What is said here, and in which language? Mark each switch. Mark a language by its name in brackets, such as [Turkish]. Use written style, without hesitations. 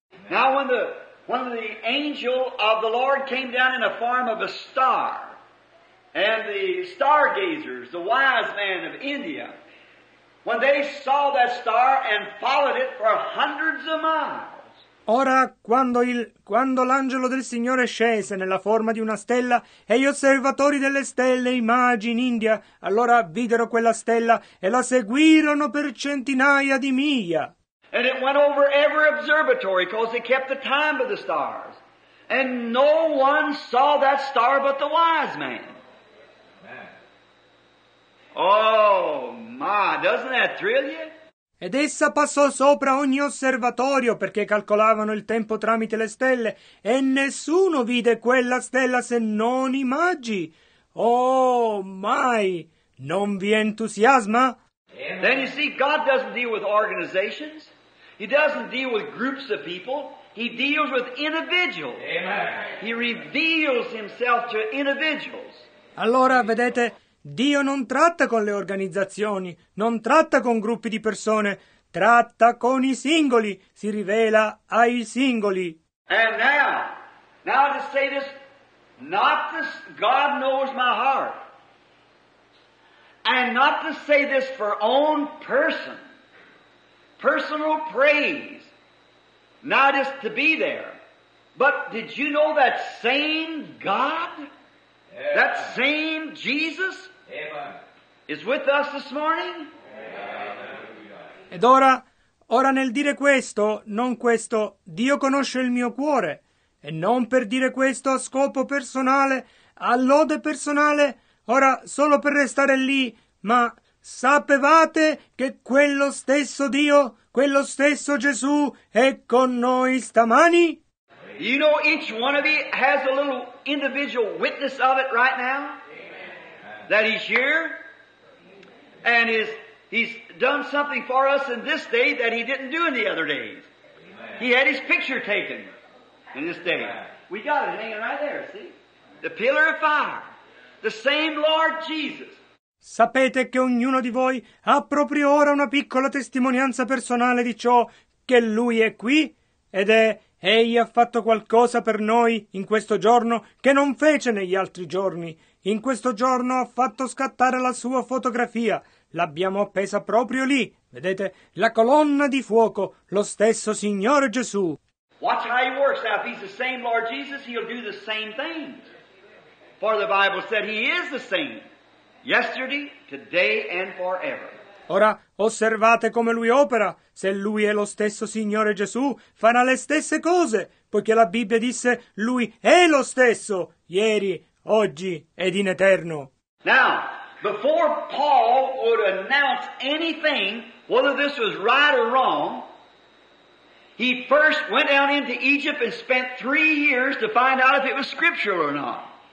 [English] Now when the angel of the Lord came down in the form of a star, and the stargazers, the wise men of India, when they saw that star and followed it for hundreds of miles, [Italian] ora, quando l'angelo del Signore scese nella forma di una stella, e gli osservatori delle stelle, i magi in India, allora videro quella stella e la seguirono per centinaia di miglia. [English] And it went over every observatory, because they kept the time of the stars. And no one saw that star but the wise man. Oh, my, doesn't that thrill you? [Italian] Ed essa passò sopra ogni osservatorio perché calcolavano il tempo tramite le stelle e nessuno vide quella stella se non i magi. Oh, mai! non vi entusiasma? [English] Then you see, God doesn't deal with organizations. He doesn't deal with groups of people. He deals with individuals. Amen. He reveals himself to individuals. [Italian] Allora, vedete, Dio non tratta con le organizzazioni, non tratta con gruppi di persone, tratta con i singoli, si rivela ai singoli. [English] And now to say this, not this, God knows my heart. And not to say this for own person, personal praise, not just to be there. But did you know that same God, yeah, that same Jesus, Amen, is with us this morning? Amen. [Italian] Ed ora nel dire questo, non questo, Dio conosce il mio cuore, e non per dire questo a scopo personale, a lode personale, ora solo per restare lì, ma sapevate che quello stesso Dio, quello stesso Gesù è con noi stamani? [English] You know, each one of you has a little individual witness of it right now. Amen. That he's here and he's done something for us in this day that he didn't do in the other days. Amen. He had his picture taken in this day. Amen. We got it hanging right there, see? The pillar of fire. The same Lord Jesus. [Italian] Sapete che ognuno di voi ha proprio ora una piccola testimonianza personale di ciò che lui è qui ed è egli ha fatto qualcosa per noi in questo giorno che non fece negli altri giorni. In questo giorno ha fatto scattare la sua fotografia. L'abbiamo appesa proprio lì. Vedete? La colonna di fuoco, lo stesso Signore Gesù. [English] Watch how he works out. If he's the same Lord Jesus, he'll do the same thing. For the Bible said he is the same. Yesterday, today and forever. [Italian] Ora, osservate come lui opera. Se lui è lo stesso Signore Gesù, farà le stesse cose, poiché la Bibbia disse lui è lo stesso, ieri, oggi ed in eterno. [English] Now, before Paul would announce anything, whether this was right or wrong, he first went out into Egypt and spent 3 years to find out if it was scriptural or not.